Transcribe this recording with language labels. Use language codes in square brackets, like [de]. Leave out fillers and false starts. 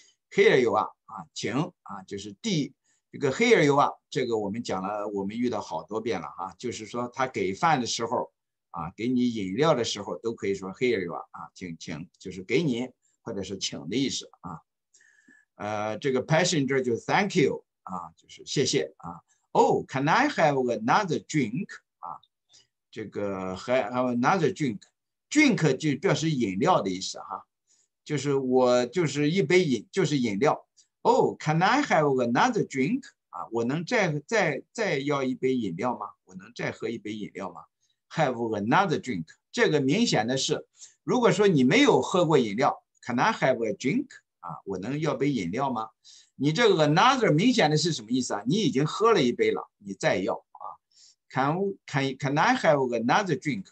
[en] Here you are， [zh] 啊，请啊，就是第这个 Here you are， 这个我们讲了，我们遇到好多遍了啊，就是说他给饭的时候啊，给你饮料的时候都可以说 Here you are， 啊，请就是给你。或者是请的意思啊，这个 passenger 就 [en] thank you [zh] 啊，就是谢谢啊。 [en] Oh， can I have another drink？ [zh] 啊，这个 [en] have another drink， [zh] drink 就表示饮料的意思哈，就是我就是一杯饮就是饮料。 [en] Oh， can I have another drink？ [zh] 啊，我能再要一杯饮料吗？我能再喝一杯饮料吗 ？ [en] Have another drink， [zh] 这个明显的是，如果说你没有喝过饮料。 [en] Can I have a drink？ 啊， [zh] 我能要杯饮料吗？你这个 another 明显的是什么意思啊？你已经喝了一杯了，你再要啊 ？ [en] Can I have another drink？